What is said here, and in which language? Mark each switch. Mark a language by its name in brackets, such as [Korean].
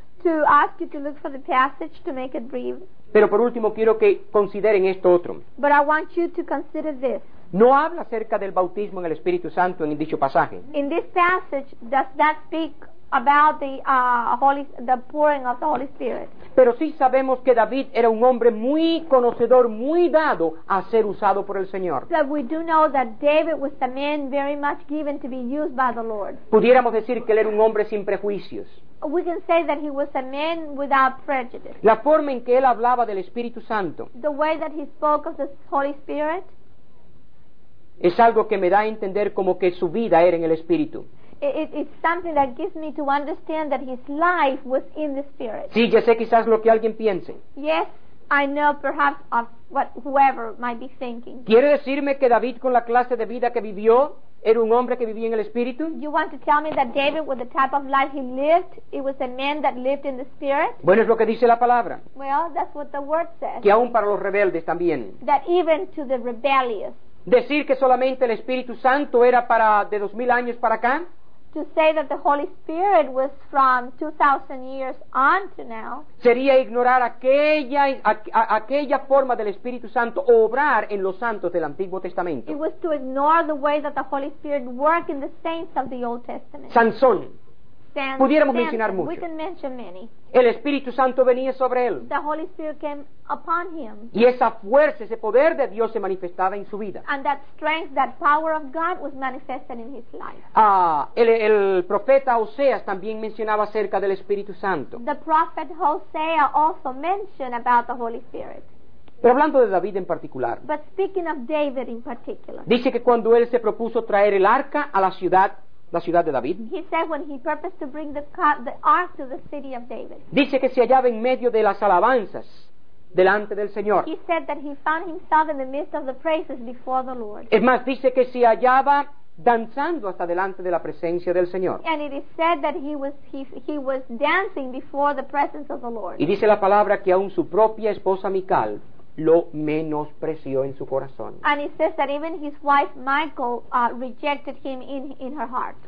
[English] To ask you to look for the passage to make it brief. [Spanish] Pero por último quiero que consideren esto otro. [English] But I want you to consider this. [Spanish] No habla acerca del bautismo en el Espíritu Santo en dicho pasaje. [English] In this passage does not speak about the pouring of the Holy Spirit. [Spanish] Pero sí sabemos que David era un hombre muy conocedor, muy dado a ser usado por el Señor. [English] But we do know that David was a man very much given to be used by the Lord. [Spanish] Pudiéramos decir que él era un hombre sin prejuicios. [English] We can say that he was a man without prejudice. [Spanish] La forma en que él hablaba del Espíritu Santo. [English] The way that he spoke of the Holy Spirit. [Spanish] Es algo que me da a entender como que su vida era en el Espíritu. [English] It's something that gives me to understand that his life was in the Spirit. [Spanish] Sí, ya sé quizás lo que alguien piense. [English] Yes, I know perhaps of what whoever might be thinking. [Spanish] ¿Quiere decirme que David con la clase de vida que vivió era un hombre que vivía en el Espíritu? [English] You want to tell me that David with the type of life he lived, it was a man that lived in the Spirit? [Spanish] Bueno, es lo que dice la palabra. [English] Well, that's what the word says. [Spanish] Que aún para los rebeldes también. [English] That even to the rebellious. [Spanish] Decir que solamente el Espíritu Santo era para de 2000 años para acá. [English] To say that the Holy Spirit was from 2000 years on to now. [Spanish] Sería ignorar aquella forma del Espíritu Santo obrar en los santos del Antiguo Testamento. [English] It was to ignore the way that the Holy Spirit worked in the saints of the Old Testament. [Spanish] Sansón. Pudiéramos [English] Samson. [Spanish] Mencionar mucho. [English] We can mention many. [Spanish] El Espíritu Santo venía sobre él. [English] The Holy Spirit came upon him. [Spanish] Y esa fuerza, ese poder de Dios se manifestaba en su vida. [English] And that strength, that power of God was manifested in his life. [Spanish] El profeta Oseas también mencionaba acerca del Espíritu Santo. [English] The prophet Hosea also mentioned about the Holy Spirit. [Spanish] Pero hablando de David en particular. [English] But speaking of David in particular. [Spanish] Dice que cuando él se propuso traer el arca a la ciudad. La ciudad de David. [English] He said when he purposed to bring the ark to the city of David. [Spanish] Dice que se hallaba en medio de las alabanzas delante del Señor. [English] He said that he found himself in the midst of the praises before the Lord. [Spanish] Es más, dice que se hallaba danzando hasta delante de la presencia del Señor. [English] And it is said that he was dancing before the presence of the Lord. [Spanish] Y dice la palabra que aun su propia esposa Mical lo menospreció en su corazón. [English] And it says that even his wife Michal rejected him in her heart.